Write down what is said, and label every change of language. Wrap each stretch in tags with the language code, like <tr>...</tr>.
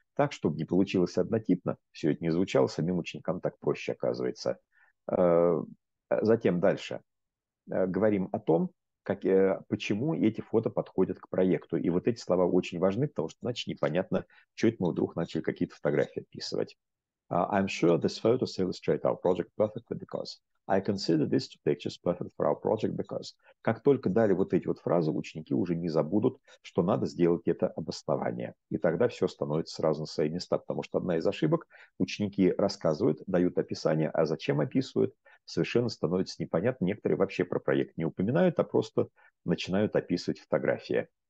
<ru>Так, чтобы не получилось однотипно, все это не звучало, самим ученикам так проще оказывается. Затем дальше. Говорим о том, почему эти фото подходят к проекту. И вот эти слова очень важны, потому что иначе непонятно, что это мы вдруг начали какие-то фотографии описывать.</ru> <en>I'm sure these photos illustrate our project perfectly because... I consider these two pictures perfect for our project because...</en> <ru>Как только дали вот эти вот фразы, ученики уже не забудут, что надо сделать это обоснование. И тогда все становится сразу на свои места, потому что одна из ошибок – ученики рассказывают, дают описание, а зачем описывают, совершенно становится непонятно. Некоторые вообще про проект не упоминают, а просто начинают описывать фотографии.</ru>